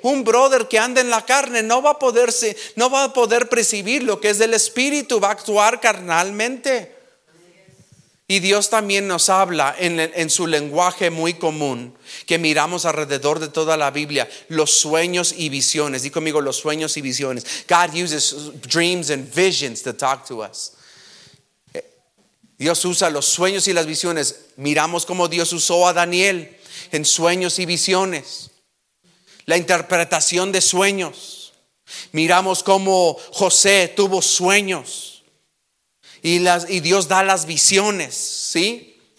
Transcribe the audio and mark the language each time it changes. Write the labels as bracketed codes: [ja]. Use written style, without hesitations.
[es] Un brother que anda en la carne no va a poder percibir lo que es del Espíritu, va a actuar carnalmente. Y Dios también nos habla en su lenguaje muy común que miramos alrededor de toda la Biblia, los sueños y visiones. Dí conmigo, los sueños y visiones. [en] God uses dreams and visions to talk to us. [es] Dios usa los sueños y las visiones. Miramos cómo Dios usó a Daniel en sueños y visiones, la interpretación de sueños. Miramos cómo José tuvo sueños y Dios da las visiones, ¿sí?